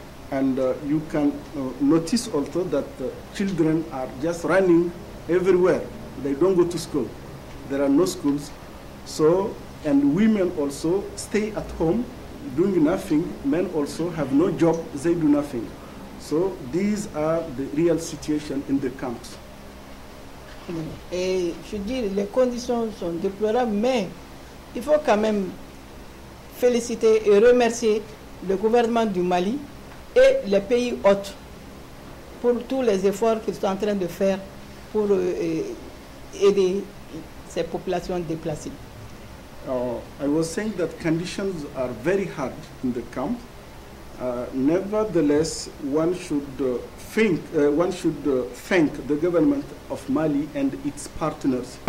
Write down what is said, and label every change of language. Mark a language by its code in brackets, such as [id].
[en] And you can notice also that children are just running everywhere. They don't go to school. There are no schools. So, and women also stay at home doing nothing. Men also have no job. They do nothing. So these are the real situation in the camps. [fr] Et je veux dire, les conditions sont déplorables, mais il faut quand même féliciter et remercier le gouvernement du Mali et les pays hôtes pour tous les efforts qu'ils sont en train de faire pour aider ces populations déplacées. [en] I was saying that conditions are very hard in the camp. Nevertheless, one should thank the government of Mali and its partners.